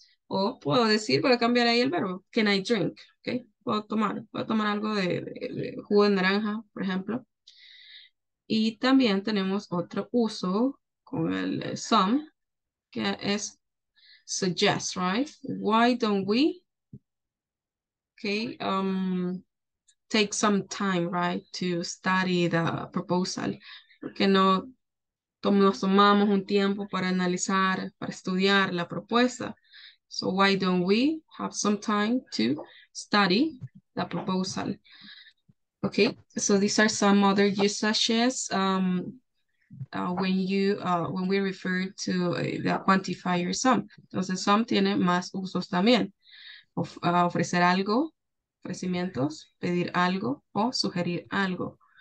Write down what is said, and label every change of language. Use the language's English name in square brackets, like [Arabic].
[Spanish] O puedo decir, voy a cambiar ahí el verbo, [English] can I drink, [Spanish] okay? Puedo tomar algo de jugo de naranja, por ejemplo. Y también tenemos otro uso con el some, que es [English] suggest, right? Why don't we, okay, take some time, right, to study the proposal? [Spanish] ¿Por qué no nos tomamos un tiempo para analizar, para estudiar la propuesta? [English] So why don't we have some time to study the proposal? Okay, so these are some other usages when we refer to the quantifier some. [Spanish] Entonces, some tiene más usos también. Ofrecer algo, ofrecimientos, pedir algo o sugerir algo.